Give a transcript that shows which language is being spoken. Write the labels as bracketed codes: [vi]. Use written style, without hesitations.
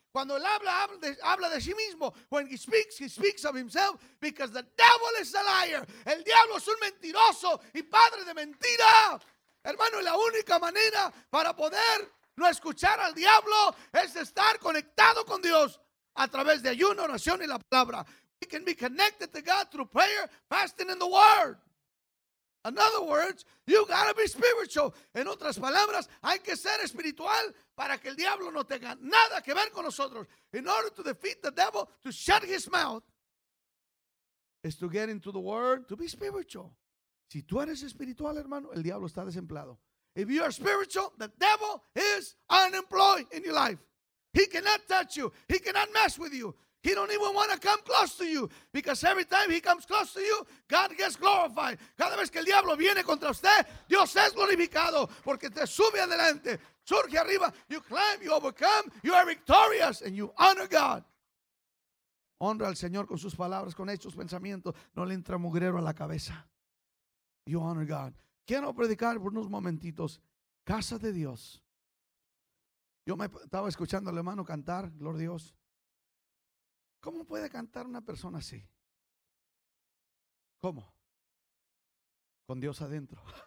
[es] Cuando él habla de sí mismo. [en] When he speaks of himself. Because the devil is a liar. [es] El diablo es un mentiroso y padre de mentira. Hermano, la única manera para poder no escuchar al diablo es estar conectado con Dios. A través de ayuno, oración y la palabra. [en] We can be connected to God through prayer, fasting, and the word. In other words, you gotta be spiritual. [es] En otras palabras, hay que ser espiritual para que el diablo no tenga nada que ver con nosotros. [en] In order to defeat the devil, to shut his mouth, is to get into the word, to be spiritual. [es] Si tú eres espiritual, hermano, el diablo está desempleado. [en] If you are spiritual, the devil is unemployed in your life. He cannot touch you. He cannot mess with you. He don't even want to come close to you. Because every time he comes close to you, God gets glorified. [es] Cada vez que el diablo viene contra usted, Dios es glorificado. Porque te sube adelante. Surge arriba. [en] You climb, you overcome, you are victorious, and you honor God. [es] Honra al Señor con sus palabras, con hechos, pensamientos. No le entra mugrero a la cabeza. [en] You honor God. [es] Quiero predicar por unos momentitos. Casa de Dios. Yo me estaba escuchando al hermano cantar, Gloria a Dios. ¿Cómo puede cantar una persona así? ¿Cómo? Con Dios adentro.